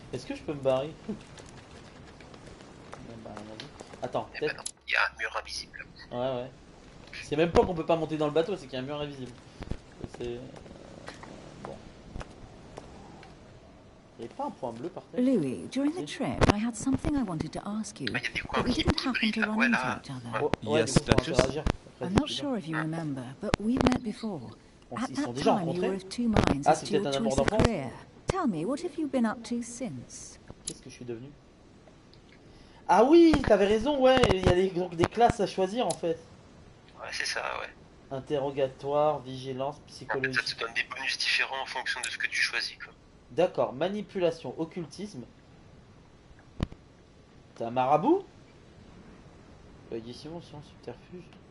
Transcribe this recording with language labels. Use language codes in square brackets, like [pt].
[fr] Est-ce que je peux me barrer? Attends, peut-être. Il y a un mur invisible. Ouais, ouais. C'est même pas qu'on peut pas monter dans le bateau, c'est qu'il y a un mur invisible. C'est. Bon. Il y a pas un point bleu par terre. [en] Louis, during the trip, I had something I wanted to ask you. But we didn't happen to run into each other. Yes, Duchess. I'm not sure if you remember, but we've met before. At that time, you were of two minds as to your choice of career. Tell me, what have you been up to since? [fr] Qu'est-ce que je suis devenu? Ah oui, t'avais raison, ouais. Il y a des classes à choisir, en fait. Ouais, c'est ça, ouais. Interrogatoire, vigilance, psychologie. Ça te donne des bonus différents en fonction de ce que tu choisis, quoi. D'accord, manipulation, occultisme. T'es un marabout? Édition, science, subterfuge.